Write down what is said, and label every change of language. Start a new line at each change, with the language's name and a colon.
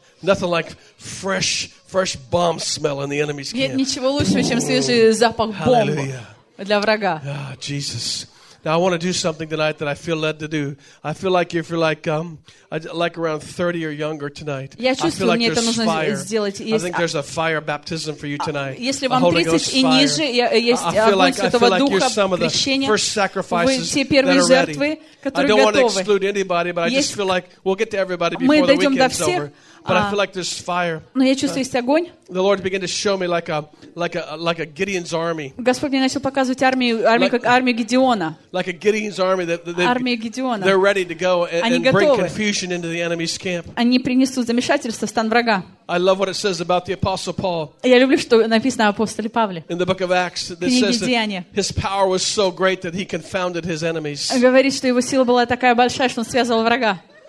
English: Nothing like fresh bomb smell in the enemy's camp.
Russian: Нет ничего лучше, чем свежий запах бомбы для врага.
English: Ah, Jesus. Now I want to do something tonight that I feel led to do. I feel like if you're like around 30 or younger tonight.
Russian: Я чувствую, мне это нужно сделать.
English: I think there's a fire baptism for you tonight.
Russian: Если вам 30 и ниже, есть огонь этого духа крещения.
English: First sacrifices that are ready. I don't want to exclude anybody, but I just feel like we'll get to everybody before the weekend's over. But I feel like there's fire.
Russian: Но я чувствую, есть огонь.
English: The Lord began to show me like a Gideon's army.
Russian: Господь мне начал показывать армию как армию Гедеона.
English: Like a Gideon's army
Russian: армия Гедеона.
English: They're ready to go and bring confusion into the enemy's camp.
Russian: Они принесут замешательство в стан врага.
English: I love what it says about the apostle Paul.
Russian: Я люблю, что написано об апостоле Павле.
English: In the book of Acts, it says that his power was so great that he confounded his enemies.
Russian: Говорит, что его сила была такая большая, что он связывал врага.